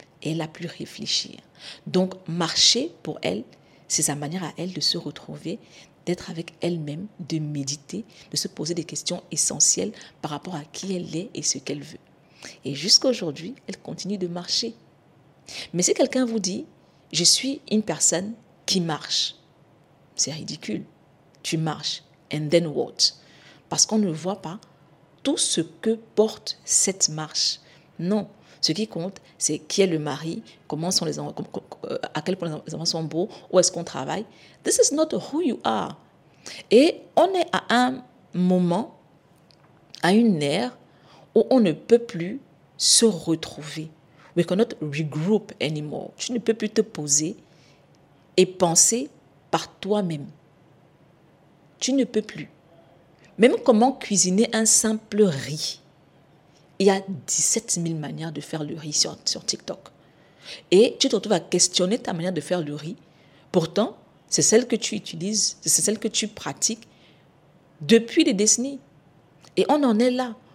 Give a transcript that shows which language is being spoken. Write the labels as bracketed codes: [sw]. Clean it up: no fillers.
[fr] et elle a pu réfléchir. Donc, marcher, pour elle, c'est sa manière à elle de se retrouver, d'être avec elle-même, de méditer, de se poser des questions essentielles par rapport à qui elle est et ce qu'elle veut. Et jusqu'à aujourd'hui, elle continue de marcher. Mais si quelqu'un vous dit, je suis une personne qui marche, c'est ridicule. Tu marches, [en] and then what? [fr] Parce qu'on ne voit pas tout ce que porte cette marche. Non, ce qui compte, c'est qui est le mari, comment sont les enfants, à quel point les enfants sont beaux, où est-ce qu'on travaille. [en] This is not who you are. [fr] Et on est à un moment, à une ère, où on ne peut plus se retrouver. [en] We cannot regroup anymore. [fr] Tu ne peux plus te poser et penser par toi-même. Tu ne peux plus. Même comment cuisiner un simple riz. Il y a 17 000 manières de faire le riz sur TikTok. Et tu te retrouves à questionner ta manière de faire le riz. Pourtant, c'est celle que tu utilises, c'est celle que tu pratiques depuis des décennies. Et on en est là.